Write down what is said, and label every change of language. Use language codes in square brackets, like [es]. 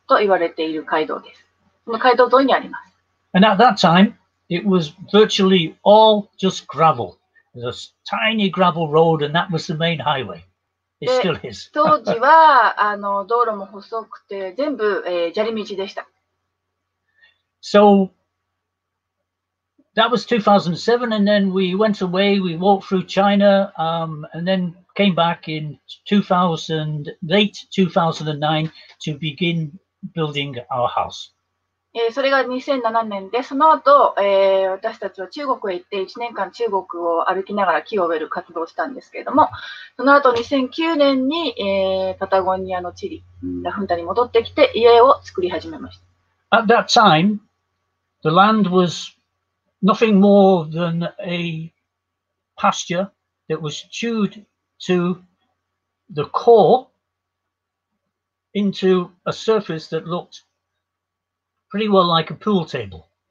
[en] And at that time, it was virtually all just gravel. This tiny gravel road, and that was the main highway. It still is. [ja] 当時は道路も細くて全部、砂利道でした。 [en] So that was 2007, and then we went away. We walked through China, and then. Came back in 2000, late 2009 to begin building our house. [ja] それが2007年で、その後、私たちは中国へ行って1年間中国を歩きながら木を植える活動をしたんですけれども、その後2009年に、パタゴニアの地理、ラフンタに戻ってきて家を作り始めました。 [en] At that time, the land was nothing more than a pasture that was chewed. To the core into a surface that looked pretty well like a pool table.